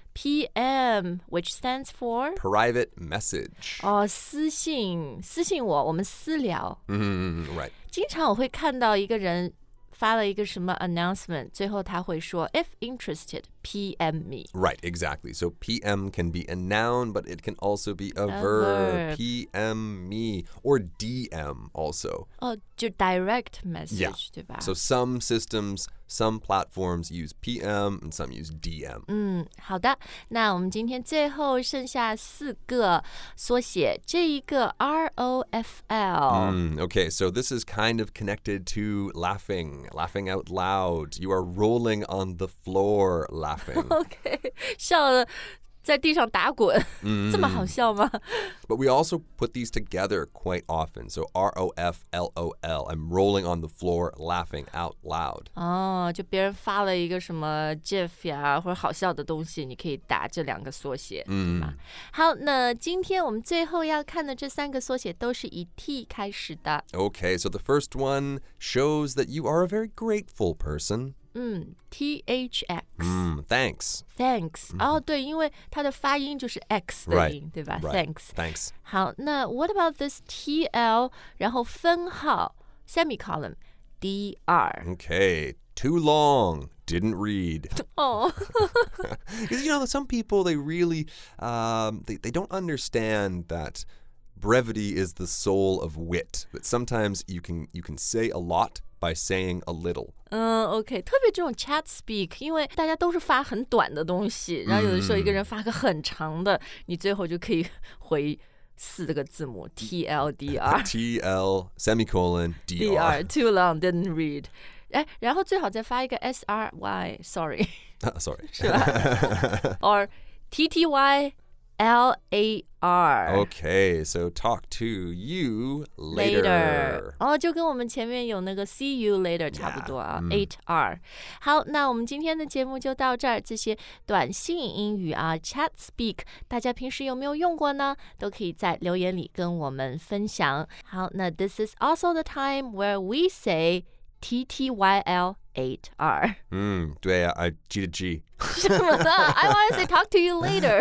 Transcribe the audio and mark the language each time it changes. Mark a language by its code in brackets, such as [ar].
[en] PM, which stands for? Private message. [zh] 哦，私信，私信我，我们私聊。 [en] 嗯、mm-hmm, ，right. [zh] 经常我会看到一个人发了一个什么 announcement, 最后他会说 [en] if interested, PM me. Right, exactly. So PM can be a noun, but it can also be a verb. PM me, or DM also. [zh] 哦，就 [en] direct message,、 yeah. [zh] 对吧？ [en] So some systems... Some platforms use PM and some use DM. [zh] 嗯，好的。那我们今天最后剩下四个缩写，这一个 ROFL. [en] Okay, so this is kind of connected to laughing out loud. You are rolling on the floor laughing. [zh] Okay, 笑了在地上打滚、这么好笑吗 [en] But we also put these together quite often. So R-O-F-L-O-L, I'm rolling on the floor laughing out loud. [zh] 哦，就别人发了一个什么 GIF 呀、啊、或者好笑的东西，你可以打这两个缩写、好，那今天我们最后要看的这三个缩写都是以 T 开始的。 [en] Okay, so the first one shows that you are a very grateful person. THX. Thanks. Thanks. [zh] 哦、mm-hmm. oh, 对，因为它的发音就是 X 的音、 [en] right. [zh] 对吧、 [en] right. Thanks. Thanks. 好，那 what about this TL, [zh] 然后分号 [en] semicolon, DR. Okay, too long, didn't read. Oh. Because, you know, some people, they really,、they don't understand that brevity is the soul of wit. But sometimes you can say a lot,By saying a little. Okay. [zh] 特别这种 chat speak, 因为大家都是发很短的东西，然后有的时候一个人发个很长的，你最后就可以回四个字母 TLDR. [en] TL, semicolon, DR. DR, too long, didn't read. [zh] 哎，然后最好再发一个 SRY, sorry. [en] Sorry. [zh] 是吧? [en] Or TTY. L-A-R. Okay, so talk to you [zh] later. 哦，就跟我们前面有那个 [en] see you later [zh] 差不多啊。 [en] 8R. [zh] 好，那我们今天的节目就到这儿。这些短信英语啊 ,chat speak, 大家平时有没有用过呢？都可以在留言里跟我们分享。好，那 [en] this is also the time where we say T-T-Y-L. 8R. [zh] 对啊 [en] G to G. [zh] 什么的 [en] I want to say talk to you later.